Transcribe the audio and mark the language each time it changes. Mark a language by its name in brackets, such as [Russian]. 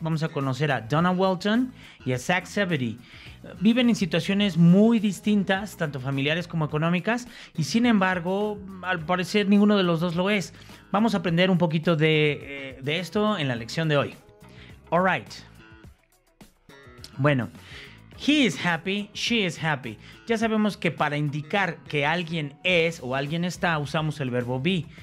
[Spanish] Vamos a conocer a Donna Walton y a Zach Zebedee. Viven en situaciones muy distintas, tanto familiares como económicas, y sin embargo, al parecer ninguno de los dos lo es. Vamos a aprender un poquito de esto en la lección de hoy. [English] All right. Bueno, he is happy, she is happy. [Spanish] Ya sabemos que para indicar que alguien es o alguien está, usamos el verbo be.